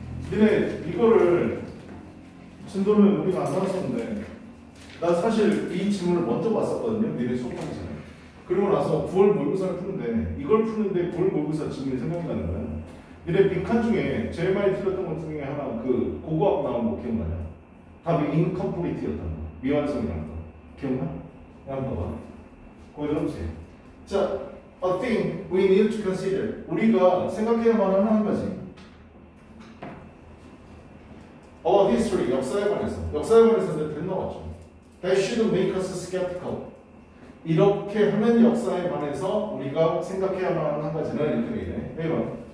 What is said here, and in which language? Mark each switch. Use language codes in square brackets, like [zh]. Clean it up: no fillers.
[ko] 근데 이거를 진도를 우리가 안 봤었는데, 나 사실 이 질문을 먼저 봤었거든요. 니네 속방에서. 그러고 나서 9월 모의고사를 푸는데, 이걸 푸는데 9월 모의고사 질문이 생각나는 거야. 니네 빈칸 중에 제일 많이 틀렸던 것 중에 하나, 그 고고학 나온 거 기억나요? 답이 인컴플리트였던 거, 미완성이란 거 기억나? 한번 봐. 고정치. [en] 자, a thing we need to consider. [ko] 우리가 생각해야만 하는 한 가지. [en] All history, [ko] 역사에 관해서. 역사에 관해서는 늘 나왔죠. [en] That should make us skeptical. [ko] 이렇게 하는 역사에 관해서 우리가 생각해야만 하는 한 가지는 이렇게 되네. 1번.